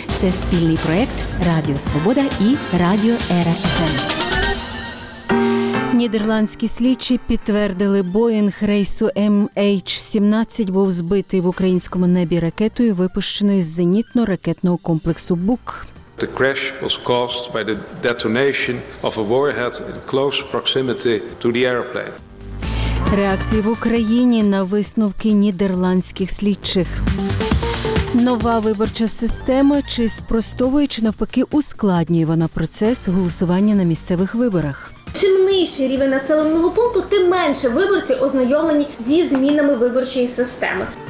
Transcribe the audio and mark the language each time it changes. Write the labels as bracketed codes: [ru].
[uk] Це спільний проєкт «Радіо Свобода» і «Радіо РФМ». Нідерландські слідчі підтвердили, Боїнг рейсу MH17 був збитий в українському небі ракетою, випущеною з зенітно-ракетного комплексу «Бук». [en] The crash was caused by the detonation of a warhead in close proximity to the airplane. [uk] Реакції в Україні на висновки нідерландських слідчих. Нова виборча система чи спростовує, чи навпаки ускладнює вона процес голосування на місцевих виборах? Чим нижчий рівень населеного пункту, тим менше виборці ознайомлені зі змінами виборчої системи.